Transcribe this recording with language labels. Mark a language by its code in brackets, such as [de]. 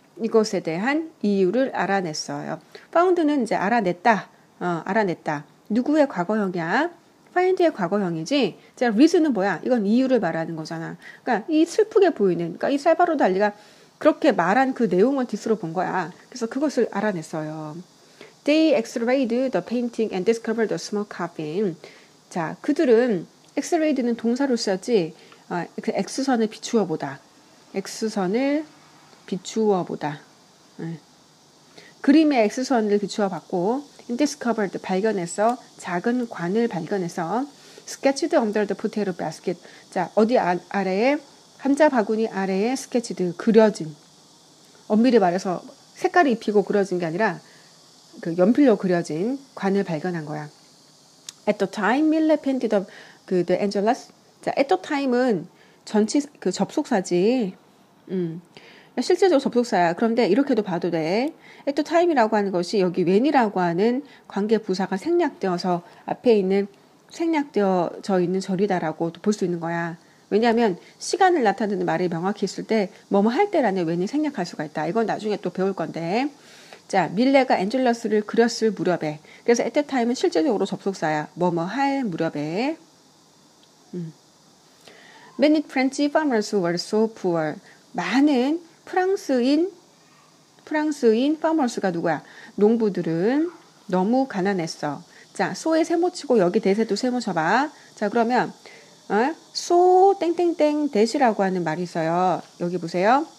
[ko] 이것에 대한 이유를 알아냈어요. Found는 이제 알아냈다. 누구의 과거형이야? Find의 과거형이지. 자, reason은 뭐야? 이건 이유를 말하는 거잖아. 그러니까 이 슬프게 보이는, 그러니까 이 살바로 달리가 그렇게 말한 그 내용을 뒤로 본 거야. 그래서 그것을 알아냈어요. [en] They x-rayed the painting and discovered the small coffin. [ko] 자, 그들은 x-rayed는 동사로 쓰였지. 그 x선을 비추어 보다. X선을 비추어 보다. 네. 그림의 X선을 비추어 봤고, discovered, 발견해서, 작은 관을 발견해서, [en] sketched under the potato basket. [ko] 자, 어디 아래에, 감자 바구니 아래에 sketched, 그려진. 엄밀히 말해서, 색깔을 입히고 그려진 게 아니라, 그 연필로 그려진 관을 발견한 거야. [en] At the time, Miller painted the Angelus. [ko] 자, at the time은 전치, 그 접속사지, 실제적으로 접속사야. 그런데 이렇게도 봐도 돼. At the time이라고 하는 것이 여기 when이라고 하는 관계 부사가 생략되어서 앞에 있는 생략되어져 있는 절이다라고 볼 수 있는 거야. 왜냐하면 시간을 나타내는 말이 명확히 있을 때 뭐뭐 할 때라는 when이 생략할 수가 있다. 이건 나중에 또 배울 건데. 자, 밀레가 엔젤러스를 그렸을 무렵에. 그래서 at that time은 실제적으로 접속사야. 뭐뭐 할 무렵에. [en] Many French farmers were so poor. [ko] 많은 프랑스인 farmers가 누구야? 농부들은 너무 가난했어. 자, so에 세모 치고 여기 대세도 세모 쳐봐. 자, 그러면 so 땡땡땡 대시라고 하는 말이 있어요. 여기 보세요.